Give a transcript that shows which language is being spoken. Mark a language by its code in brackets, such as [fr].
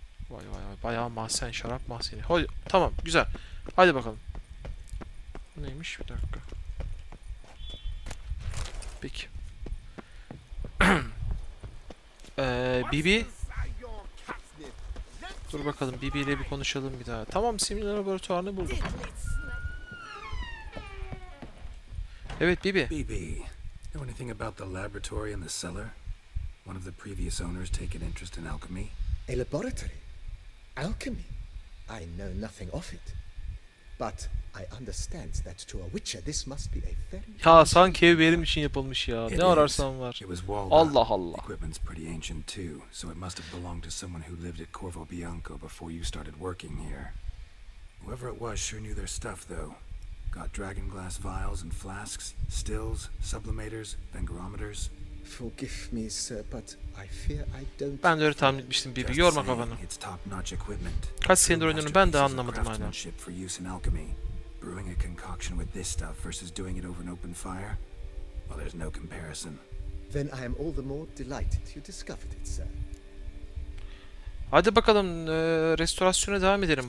[tr] Vay vay vay. Bayağı mahzen. Şarap mahzeni. Hadi. Tamam. Güzel. Hadi bakalım. Bu neymiş? Bir dakika. Peki. Bibi. Dur bakalım. Bibi ile bir konuşalım bir daha. Tamam. Simli laboratuvarını buldum. Evet, Bibi. [en] Bibi, know anything about the laboratory in the cellar? One of the previous owners taken interest in alchemy? A laboratory? Alchemy? I know nothing of it. But I understand that to a witcher this must be a very... [tr] Ya sanki ev benim için yapılmış ya. It ne ararsam var. [en] It was walled up. [tr] Allah Allah. [en] Equipment's pretty ancient too, so it must have belonged to someone who lived at Corvo Bianco before you started working here. Whoever it was sure knew their stuff though. Got dragon glass vials and flasks, stills, sublimators, vengarometers. Forgive me, sir, but I fear I don't. [tr] Ben de öyle tahmin etmiştim Bibi, yorma kafanı. [en] It's top-notch equipment. [tr] Kaç senedir oynuyorum ben de anlamadım hala. [en] Craftsmanship for use in alchemy. Brewing a concoction with this stuff versus doing it over an open fire. Well, there's no comparison. Then I am all the more delighted you discovered it, sir. [tr] Hadi bakalım, restorasyona devam edelim.